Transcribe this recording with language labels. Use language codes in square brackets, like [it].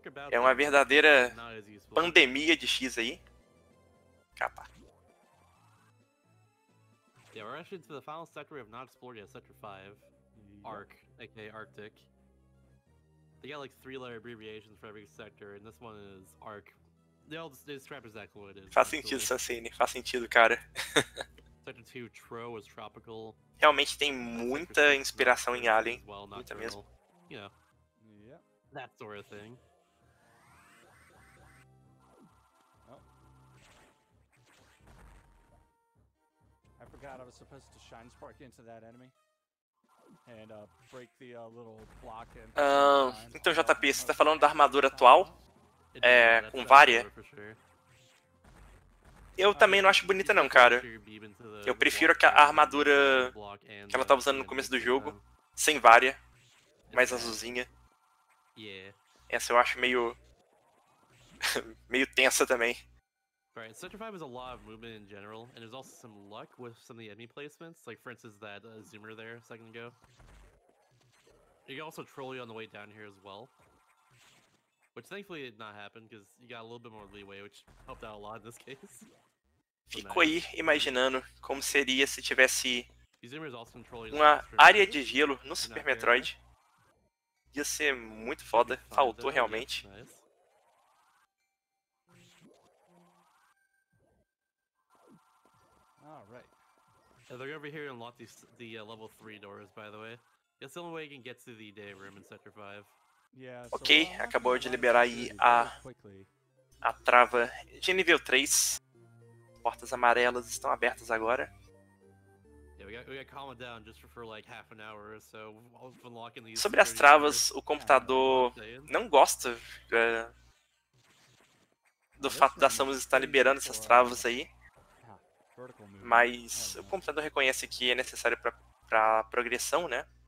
[pt] É uma verdadeira pandemia de X aí. Capa. [en] Yeah, we're actually into the final sector we have not explored yet, Sector 5. Arc, aka Arctic. They got like three letter abbreviations for every sector, and this one is Arc. They all just describe exactly what it is. [pt] Faz sentido, Sassini. Faz sentido, cara. [en] Sector 2, Tro, is tropical. [pt] Realmente tem muita inspiração em Alien. [en] Well, not [pt] muita mesmo. [en] You know, yeah. That sort of thing. I was supposed to shine spark into that enemy and break the little block. [pt] Então JP, você tá falando da armadura atual? Com Varia? Eu também não acho bonita não, cara. Eu prefiro a armadura que ela tava usando no começo do jogo, sem Varia, mais azulzinha. Essa eu acho meio meio tensa também. [en] Right, Sector 5 is a lot of movement in general, and there's also some luck with some of the enemy placements, like for instance that Zoomer there a second ago. You can also troll you on the way down here as well. Which thankfully did not happen, because you got a little bit more leeway, which helped out a lot in this case. [pt] Fico aí imaginando como seria se tivesse uma área de gelo no Super Metroid. Ia ser muito foda, faltou realmente. [en] Yeah, they're over here and lock the level 3 doors, by the way. That's the only way you can get to the day room in Sector 5. Yeah, so okay, [pt] acabou de liberar aí a trava de nível 3. Portas amarelas estão abertas agora. [en] Yeah, we got calmed down just for like half an hour or so. Unlocking these. [pt] Sobre as travas, o computador não gosta do fato da Samus estar liberando essas travas aí. Mas o computador reconhece que é necessário pra progressão, né?